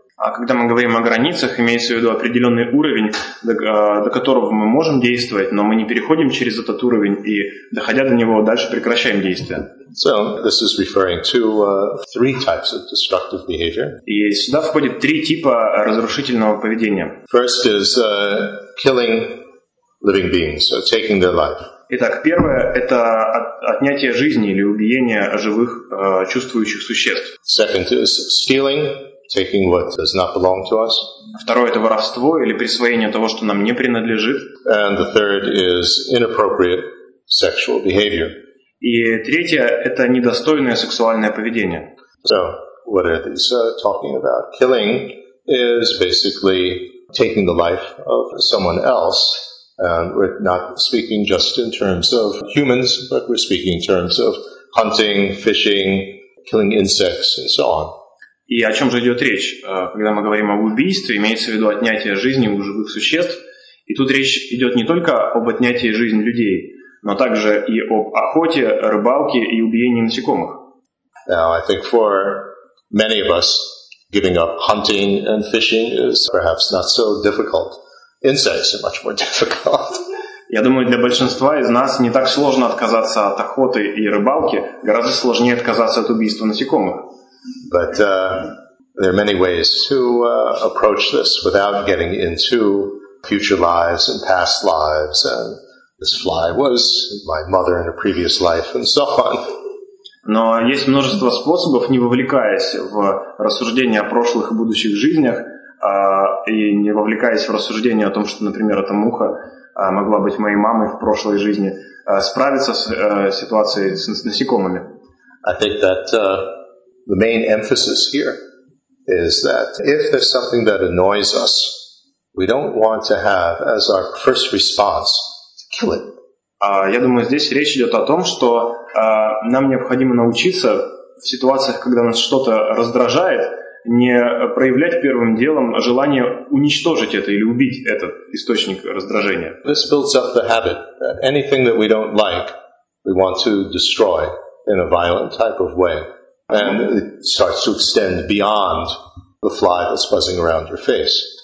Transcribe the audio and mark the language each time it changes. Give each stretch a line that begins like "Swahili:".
Russian: А когда мы говорим о границах, имеется в виду определенный уровень, до которого мы можем действовать, но мы не переходим через этот уровень и, доходя до него, дальше прекращаем действия.
English: So, this is referring to three types of destructive behavior.
Russian: И сюда входит три типа разрушительного поведения.
English: First is killing living beings, so taking their life.
Russian: Итак, первое – это отнятие жизни или убиение живых чувствующих существ.
English: Second is stealing, taking what does not belong to us.
Russian: Второе – это воровство или присвоение того, что нам не принадлежит.
English: And the third is inappropriate sexual behavior.
Russian: И третье – это недостойное сексуальное поведение.
English: So, what are these talking about? Killing is basically taking the life of someone else. And we're not speaking just in terms of humans, but we're speaking in terms of hunting, fishing, killing insects, and so on.
Russian: И о чем же идет речь? Когда мы говорим об убийстве, имеется в виду отнятие жизни у живых существ. И тут речь идет не только об отнятии жизни людей, но также и об охоте, рыбалке и убиении насекомых.
English: Now, I think for many of us, giving up hunting and fishing is perhaps not so difficult. Insects are much more difficult.
Russian: Я думаю, для большинства из нас не так сложно отказаться от охоты и рыбалки, гораздо сложнее отказаться от убийства насекомых.
English: But there are many ways to approach this without getting into future lives and past lives, and this fly was my mother in a previous life, and so on.
Russian: Но есть множество способов, не вовлекаясь в рассуждения о прошлых и будущих жизнях, и не вовлекаясь в рассуждения о том, что, например, эта муха могла быть моей мамой в прошлой жизни, справиться с ситуацией с насекомыми.
English: I think that the main emphasis here is that if there's something that annoys us, we don't want to have as our first response to kill it.
Russian: Я думаю, здесь речь идет о том, что нам необходимо научиться в ситуациях, когда нас что-то раздражает, не проявлять первым делом желание уничтожить это или убить этот источник раздражения.
English: This builds up the habit that anything that we don't like, we want to destroy in a violent type of way. And it starts to extend beyond the fly that's buzzing around your face.